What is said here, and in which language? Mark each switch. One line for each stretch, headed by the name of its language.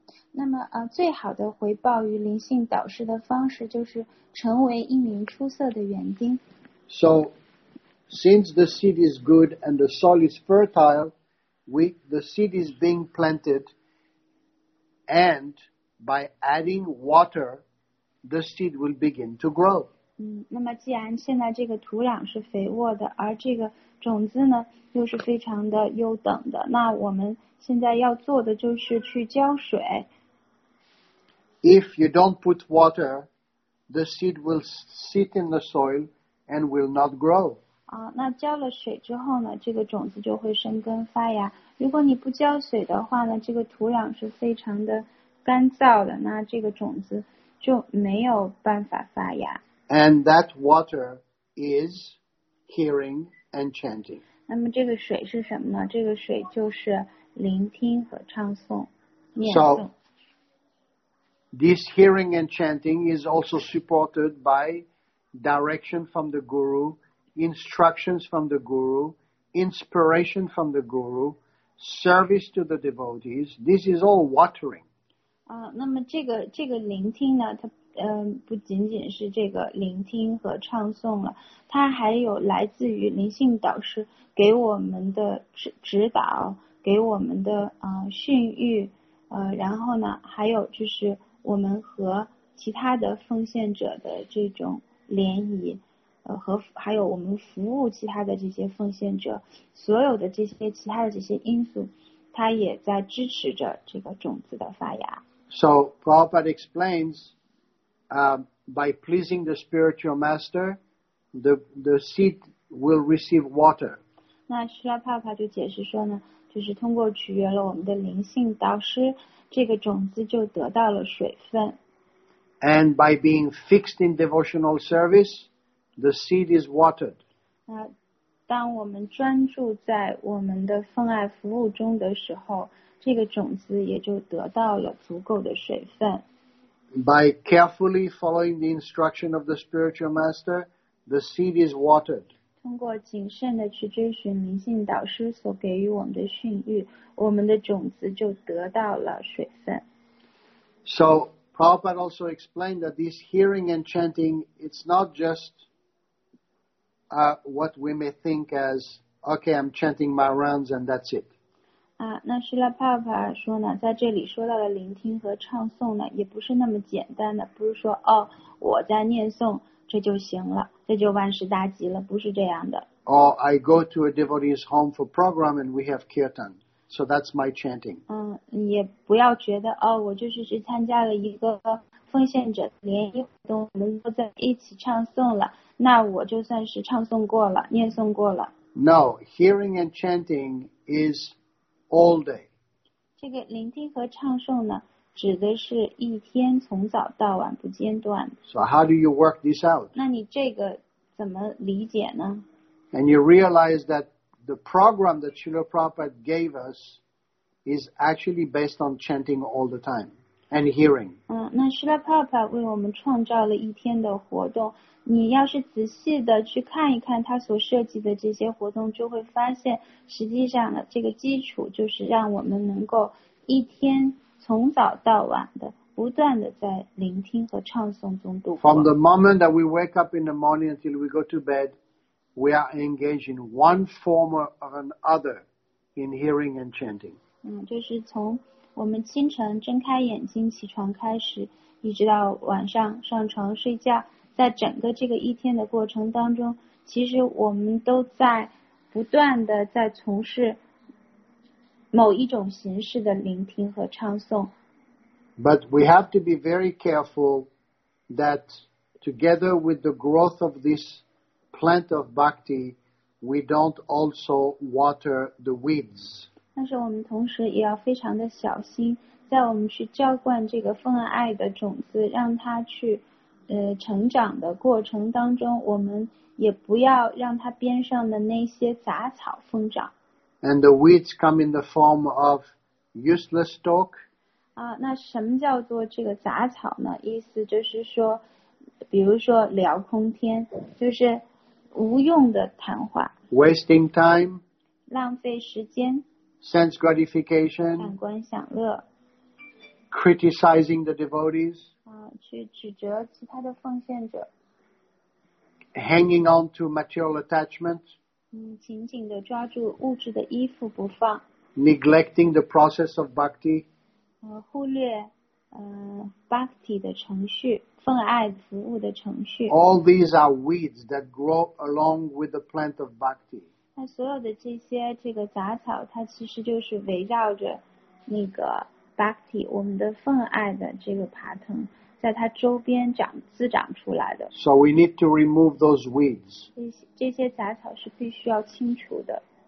Chinese: 那么最好的回报于灵性导师的方式就是成为一名出色的园丁。
English: SoSince the seed is good and the soil is fertile, the seed is being planted, and by adding water, the seed will begin to grow.
Chinese: 那么既然现在这个土壤是肥沃的，而这个种子呢，又是非常的优等的，那我们现在要做的就是去浇水。
English: If you don't put water, the seed will sit in the soil and will not grow.
Chinese: 那浇了水之后呢，这个种子就会生根发芽。如果你不浇水的话呢，这个土壤是非常的干燥的，那这个种子就没有办法发芽。
English: And that water is hearing and chanting.
Chinese: 那么这个水是什么呢？这个水就是聆听和唱诵、念诵。
English: So, this hearing and chanting is also supported by direction from the guru. Instructions from the guru, inspiration from the guru, service to the devotees, this is all watering.
Chinese: 那么这个聆听呢，它不仅仅是这个聆听和唱诵了，它还有来自于灵性导师给我们的指导，给我们的训育，然后呢，还有就是我们和其他的奉献者的这种联谊。和还有我们服务其他的这些奉献者，所有的这些其他的这些因素，它也在支持着这个种子的发芽。
English: So Prabhupada explains, by pleasing the spiritual master, the seed will receive water.
Chinese: 那释迦牟尼就解释说呢，就是通过取悦了我们的灵性导师，这个种子就得到了水分。
English: And by being fixed in devotional service. The seed is watered.
Chinese: 当我们专注在我们的奉爱服务中的时候，这个种子也就得到了足够的水分。
English: By carefully following the instruction of the spiritual master, the seed is watered.
Chinese: 通过谨慎的去追寻灵性导师所给予我们的训育，我们的种子就得到了水分。
English: So, Prabhupada also explained that this hearing and chanting, it's not justwhat we may think as, okay, I'm chanting my rounds and that's it.
Chinese: 那释迦牟尼说呢，在这里说到的聆听和唱诵呢，也不是那么简单的，不是说哦，我在念诵这就行了，这就万事大吉了，不是这样的。
English: Or I go to a devotee's home for program and we have kirtan, so that's my chanting.
Chinese: 也不要觉得哦，我就是去参加了一个奉献者联谊活动，我们都在一起唱诵了。那我就算是唱诵过了，念诵过了。
English: No, hearing and chanting is all day.
Chinese: 这个聆听和唱诵呢，指的是一天从早到晚不间断。
English: So how do you work this out?
Chinese: 那你这个怎么理解呢？
English: And you realize that the program that Srila Prabhupada gave us is actually based on chanting all the time. And hearing.
Chinese: 那释迦牟尼为我们创造了一天的活动，你要是仔细的去看一看他所设计的这些活动，就会发现实际上的这个基础就是让我们能够一天从早到晚的不断的在聆听和唱诵中度过。
English: From the moment that we wake up in the morning until we go to bed, we are engaged in one form or another in hearing and chanting.
Chinese: 就是从我们清晨睁开眼睛起床开始，一直到晚上上床睡觉，在整个这个一天的过程当中，其实我们都在不断的在从事某一种形式的聆听和唱诵。
English: But we have to be very careful that together with the growth of this plant of bhakti, we don't also water the weeds.
Chinese: 但是我们同时也要非常的小心，在我们去浇灌这个奉爱的种子，让它去成长的过程当中，我们也不要让它边上的那些杂草疯长。
English: And the weeds come in the form of useless talk.
Chinese: 那什么叫做这个杂草呢？意思就是说，比如说聊空天，就是无用的谈话。
English: Wasting time.
Chinese: 浪费时间。
English: Sense gratification.
Chinese: 感官享乐。
English: Criticizing the devotees.
Chinese: 去指责其他的奉献者。
English: Hanging on to material attachment.
Chinese: 紧紧地抓住物质的衣服不放。
English: Neglecting the process of bhakti.
Chinese: 忽略bhakti 的程序，奉爱服务的程序。
English: All these are weeds that grow along with the plant of bhakti.
Chinese: 那所有的这些这个杂草，它其实就是围绕着那个 bhakti， 我们的奉爱的这个爬藤。在它周边长滋长出来的。
English: So we need to remove those weeds.
Chinese: 这些杂草是必须要清除的。